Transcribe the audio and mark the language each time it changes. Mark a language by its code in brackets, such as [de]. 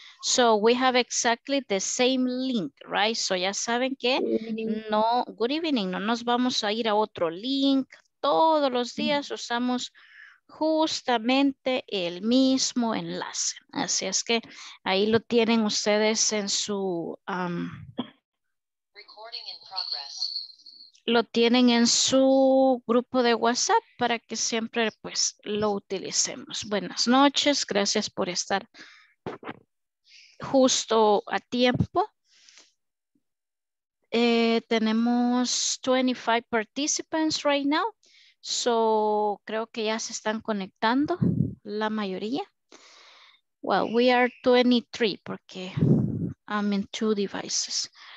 [en] So we have exactly the same link, right? [es] So ya saben que no, [en] good evening. [es] No nos vamos a ir a otro link. Todos los días usamos justamente el mismo enlace. Así es que ahí lo tienen ustedes en su [en] recording in progress. [es] Lo tienen en su grupo de WhatsApp para que siempre pues lo utilicemos. Buenas noches, gracias por estar justo a tiempo. Tenemos [en] 25 participants right now. [es] So, creo que ya se están conectando la mayoría. [en] Well, we are 23 [es] porque [en] I'm in two devices.